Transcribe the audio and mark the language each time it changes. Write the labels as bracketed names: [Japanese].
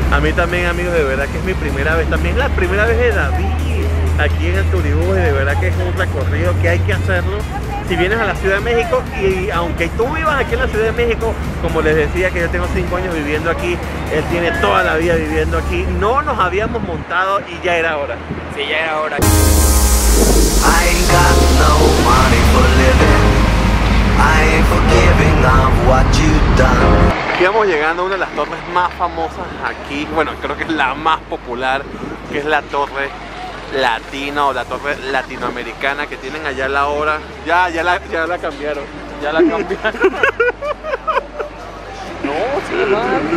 [Spanish] A mí también, amigos, de verdad que es mi primera vez, también es la primera vez de David aquí en el turibú, y de verdad que es un recorrido que hay que hacerlo si vienes a la Ciudad de México. Y aunque tú vivas aquí en la Ciudad de México, como les decía, que yo tengo 5 años viviendo aquí, él tiene toda la vida viviendo aquí, no nos habíamos montado y ya era hora. Sí, ya era hora. [English] I ain't got no money for living. I ain't forgiving of what you done. [Spanish] Estamos llegando a una de las torres más famosas aquí, bueno, creo que es la más popular, que es la Torre Latina, o la Torre Latinoamericana, que tienen allá la hora. Ya la cambiaron. Ya la cambiaron. No, sigue mal.